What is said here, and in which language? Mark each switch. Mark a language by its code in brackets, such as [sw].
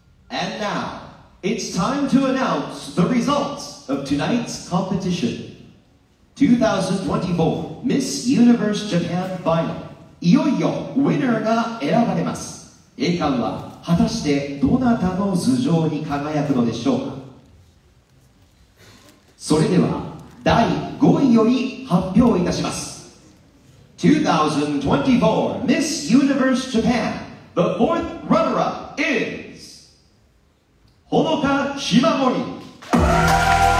[en] now, it's time to announce the results of tonight's competition. 2024 Miss Universe Japan Final. [ja] いよいよ、ウィナーが選ばれます。栄冠は、果たしてどなたの頭上に輝くのでしょうか。それでは、第5位より発表いたします。 [en] 2024 Miss Universe Japan, the fourth runner-up is... [ja] ほのか しまもり。